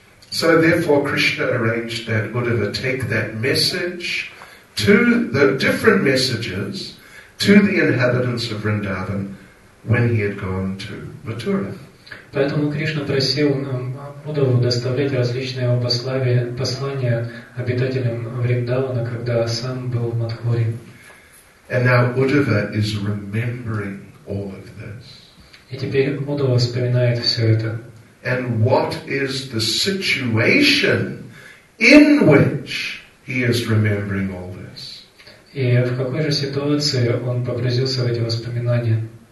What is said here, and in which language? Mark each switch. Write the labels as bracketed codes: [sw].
[en] So therefore Krishna arranged that Uddhava take that message to the different messages to the inhabitants of Vrindavan when he had gone to Mathura. [ru] Поэтому Кришна просил Удаву доставлять различные его послания обитателям Вриндавана, когда сам был в Мадхуре. [en] And now Uddhava is remembering all of this. [ru] И теперь Удава вспоминает все это. [en] And what is the situation in which he is remembering all this? [ru] И в какой же ситуации он погрузился в эти воспоминания?